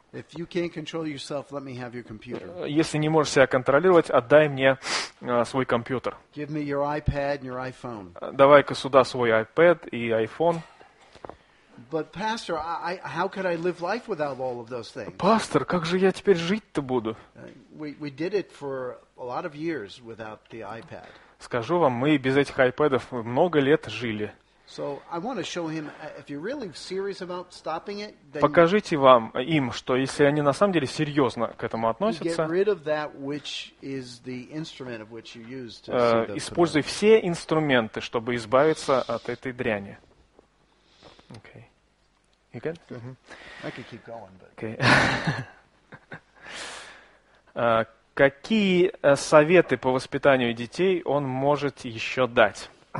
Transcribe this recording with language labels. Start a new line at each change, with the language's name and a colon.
English: If you can't control yourself, let me have your computer.
Russian: Если не можешь себя контролировать, отдай мне свой компьютер.
English: Give me your iPad and your iPhone.
Russian: Давай-ка сюда свой iPad и iPhone.
English: But pastor, I how could I live life without all of those things?
Russian: Пастор, как же я теперь жить-то буду?
English: We did it for a lot of years without the iPad.
Russian: Скажу вам, мы без этих iPad'ов много лет жили.
English: So I want to show him if you're really serious about stopping it.
Russian: Покажите вам им, что если они на самом деле серьезно к этому относятся.
English: Get rid of that which is the instrument of which you used to see the.
Russian: Используй все инструменты, чтобы избавиться от этой дряни.
English: Okay. You good? Mm-hmm. I could keep going, but. Okay.
Russian: Какие советы по воспитанию детей он может еще дать?